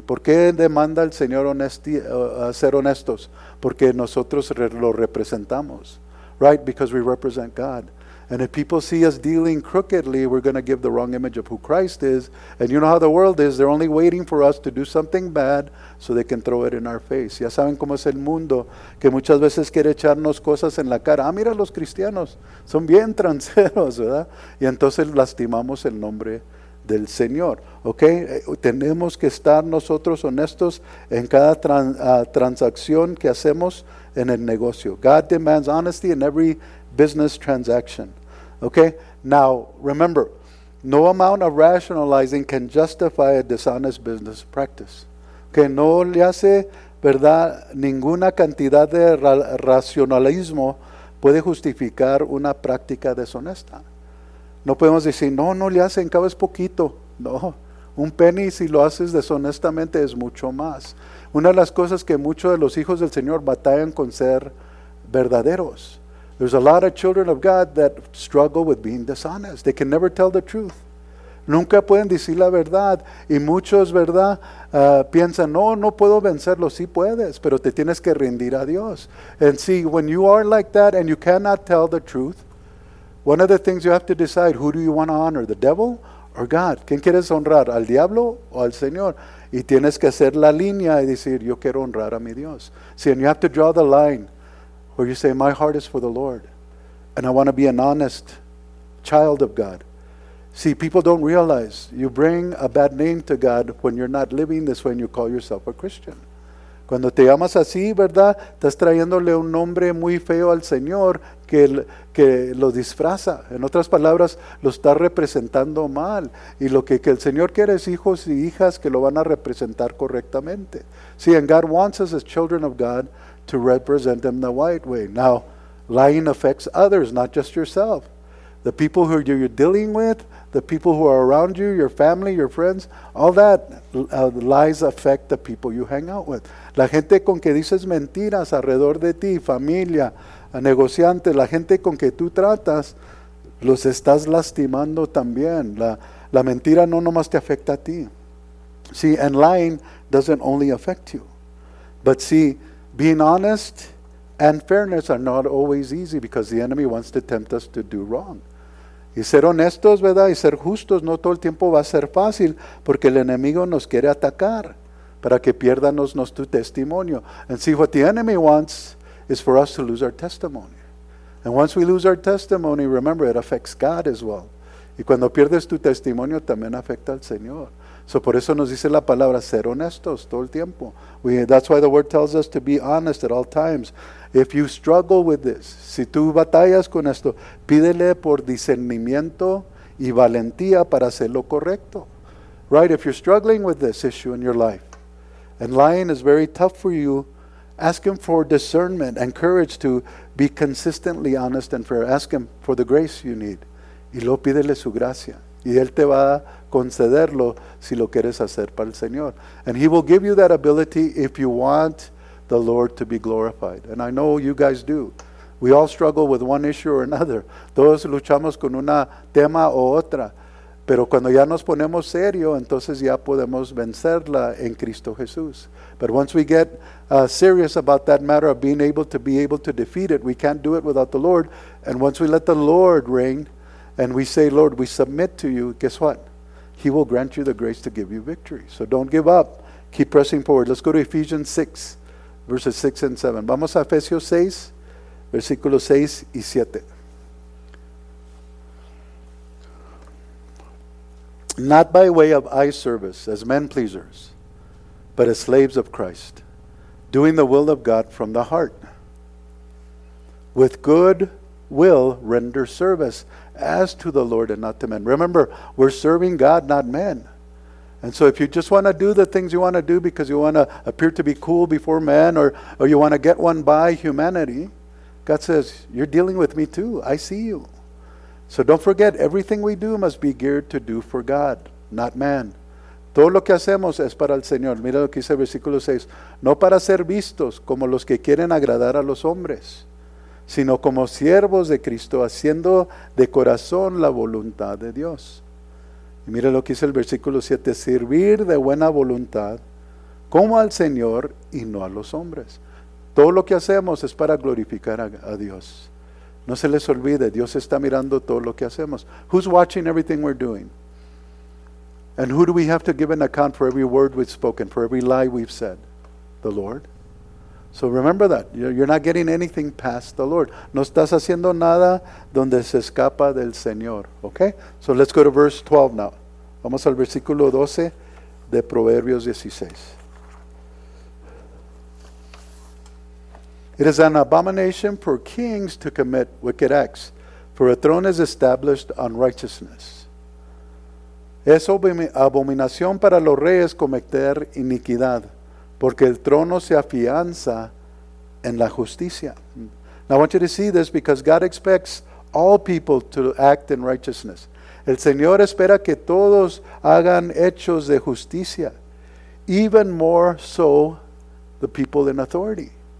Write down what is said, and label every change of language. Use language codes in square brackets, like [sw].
[es] ¿Por qué demanda el Señor ser honestos? Porque nosotros lo representamos, right? [en] Because we represent God. And if people see us dealing crookedly, we're going to give the wrong image of who Christ is. And you know how the world is. They're only waiting for us to do something bad so they can throw it in our face. [es] Ya saben cómo es el mundo, que muchas veces quiere echarnos cosas en la cara. Ah, mira los cristianos. Son bien tranceros, ¿verdad? Y entonces lastimamos el nombre del Señor. Okay? Tenemos que estar nosotros honestos en cada transacción que hacemos en el negocio. [en] God demands honesty in every business transaction. Okay? Now, remember, No amount of rationalizing can justify a dishonest business practice. [es] Que no le hace, ¿verdad? Ninguna cantidad de racionalismo puede justificar una práctica deshonesta. No podemos decir, no, no le hacen, cabo es poquito. No, un penny si lo haces deshonestamente es mucho más. Una de las cosas que muchos de los hijos del Señor batallan con ser verdaderos. [en] There's a lot of children of God that struggle with being dishonest. They can never tell the truth. [es] Nunca pueden decir la verdad. Y muchos, ¿verdad? Piensan, no, no puedo vencerlo. Sí puedes, pero te tienes que rendir a Dios. [en] And see, when you are like that and you cannot tell the truth, one of the things you have to decide, who do you want to honor, the devil or God? [es] ¿Quién quieres honrar, al diablo o al Señor? Y tienes que hacer la línea y decir, yo quiero honrar a mi Dios. [en] See, and you have to draw the line where you say, my heart is for the Lord and I want to be an honest child of God. See, people don't realize you bring a bad name to God when you're not living this way and you call yourself a Christian. [es] Cuando te llamas así, ¿verdad? Estás trayéndole un nombre muy feo al Señor que lo disfraza. En otras palabras, lo está representando mal. Y lo que el Señor quiere es hijos y hijas que lo van a representar correctamente. [en] See, and God wants us as children of God to represent them the right way. Now, lying affects others, not just yourself. The people who you're dealing with, the people who are around you, your family, your friends, all that lies affect the people you hang out with. [es] La gente con que dices mentiras alrededor de ti, familia, negociantes, la gente con que tú tratas, los estás lastimando también. La mentira no nomás te afecta a ti. [en] See, and lying doesn't only affect you. But see, being honest and fairness are not always easy because the enemy wants to tempt us to do wrong. [es] Y ser honestos, ¿verdad? Y ser justos no todo el tiempo va a ser fácil porque el enemigo nos quiere atacar para que pierdanos nuestro testimonio. [en] And see, what the enemy wants is for us to lose our testimony. And once we lose our testimony, remember, it affects God as well. [es] Y cuando pierdes tu testimonio, también afecta al Señor. So por eso nos dice la palabra ser honestos todo el tiempo. [en] That's why the word tells us to be honest at all times. If you struggle with this, [es] si tú batallas con esto, pídele por discernimiento y valentía para hacer lo correcto. [en] Right, if you're struggling with this issue in your life, and lying is very tough for you, ask him for discernment and courage to be consistently honest and fair. Ask him for the grace you need. [es] Y luego pídele su gracia. Y él te va a concederlo si lo quieres hacer para el Señor. [en] And he will give you that ability if you want the Lord to be glorified. And I know you guys do. We all struggle with one issue or another. [es] Todos luchamos con una tema o otra. Pero cuando ya nos ponemos serio, entonces ya podemos vencerla en Cristo Jesús. [en] But once we get serious about that matter of being able to defeat it, we can't do it without the Lord. And once we let the Lord reign, and we say, Lord, we submit to you, guess what? He will grant you the grace to give you victory. So don't give up. Keep pressing forward. Let's go to Ephesians 6, verses 6 and 7. [es] Vamos a Efesios 6, versículos 6 y 7. [en] Not by way of eye service as men pleasers, but as slaves of Christ, doing the will of God from the heart. With good will render service as to the Lord and not to men. Remember, we're serving God, not men. And so if you just want to do the things you want to do because you want to appear to be cool before men or you want to get one by humanity, God says, you're dealing with me too. I see you. So don't forget, everything we do must be geared to do for God, not man. [es] Todo lo que hacemos es para el Señor. Mira lo que dice el versículo 6. No para ser vistos como los que quieren agradar a los hombres, sino como siervos de Cristo, haciendo de corazón la voluntad de Dios. Y mira lo que dice el versículo 7. Servir de buena voluntad como al Señor y no a los hombres. Todo lo que hacemos es para glorificar a Dios. No se les olvide, Dios está mirando todo lo que hacemos. [en] Who's watching everything we're doing? And who do we have to give an account for every word we've spoken, for every lie we've said? The Lord. So remember that. You're not getting anything past the Lord. [es] No estás haciendo nada donde se escapa del Señor. Okay? [en] So let's go to verse 12 now. [es] Vamos al versículo 12 de Proverbios 16. [en] It is an abomination for kings to commit wicked acts, for a throne is established on righteousness. [es] Es abominación para los reyes cometer iniquidad, porque el trono se afianza en la justicia. [en] Now I want you to see this because God expects all people to act in righteousness. [es] El Señor espera que todos hagan hechos de justicia. [en] Even more so the people in authority.